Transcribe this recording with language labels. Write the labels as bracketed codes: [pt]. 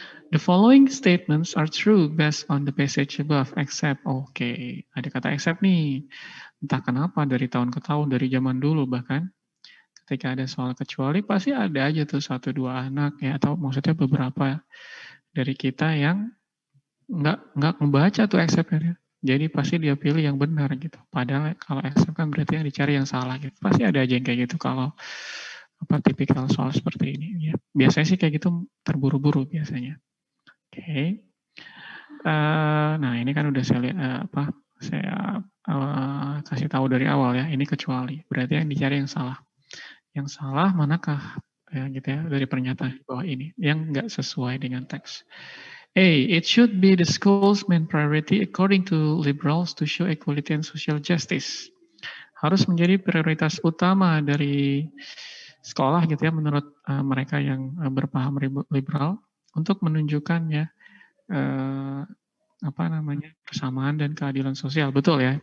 [en] The following statements are true based on the passage above, except, okay. [id] Ada kata except nih. Entah kenapa dari tahun ke tahun, dari zaman dulu bahkan. Ketika ada soal kecuali, pasti ada aja tuh satu dua anak ya, atau maksudnya beberapa dari kita yang nggak membaca tuh exceptnya. Jadi pasti dia pilih yang benar gitu. Padahal kalau except kan berarti yang dicari yang salah gitu. Pasti ada aja yang kayak gitu kalau apa tipikal soal seperti ini. Ya. Biasanya sih kayak gitu terburu-buru biasanya. Oke. Okay. Nah ini kan udah saya lihat apa saya kasih tahu dari awal ya. Ini kecuali. Berarti yang dicari yang salah. Yang salah manakah ya gitu ya dari pernyataan di bawah ini yang nggak sesuai dengan teks. A. [en] It should be the school's main priority according to liberals to show equality and social justice. [id] Harus menjadi prioritas utama dari sekolah gitu ya menurut mereka yang berpaham liberal untuk menunjukkannya apa namanya persamaan dan keadilan sosial. Betul ya.